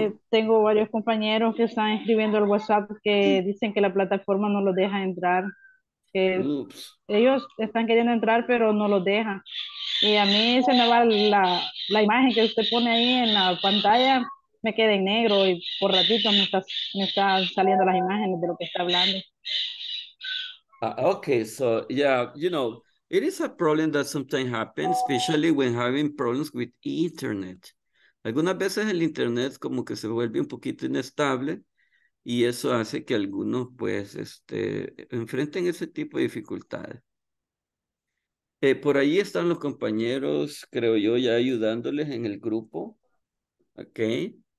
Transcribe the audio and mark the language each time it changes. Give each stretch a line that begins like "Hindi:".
Spanish: Tengo varios compañeros que están escribiendo al WhatsApp que dicen que la plataforma no los deja entrar. Ellos están queriendo entrar, pero no los deja. Y a mí se me va la imagen que usted pone ahí en la pantalla, me queda en negro y por ratito me está saliendo las imágenes de lo que está hablando.
English: Okay, so yeah, you know, it is a problem that sometimes happens, especially when having problems with internet.
Spanish: Algunas veces el internet como que se vuelve un poquito inestable y eso hace que algunos pues enfrenten ese tipo de dificultades. Por ahí están los compañeros, creo yo, ya ayudándoles en el grupo. Okay.